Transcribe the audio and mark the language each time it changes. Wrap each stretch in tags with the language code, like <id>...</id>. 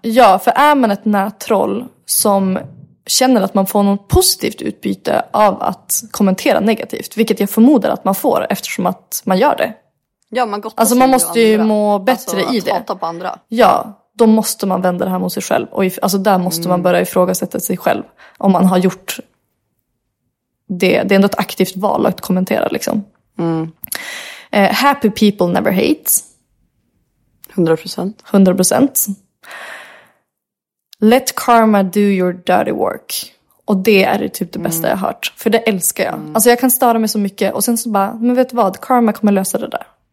<sv>Ja, för är man ett nättroll som känner att man får något positivt utbyte av att kommentera negativt, vilket jag förmodar att man får eftersom att man gör det. Ja, man gott. Alltså man måste ju må bättre i det. Att hata på andra. Ja, då måste man vända det här mot sig själv. Och där måste man börja ifrågasätta sig själv om man har gjort... Det är ändå ett aktivt val att kommentera. Liksom. Mm.</sv> <en>Happy people never hate. 100%. 100%. Let karma do your dirty work.</en> <sv>Och det är typ det bästa jag har hört. För det älskar jag. Mm. Alltså jag kan störa mig så mycket. Och sen så bara, men vet du vad? Karma kommer lösa det där.</sv>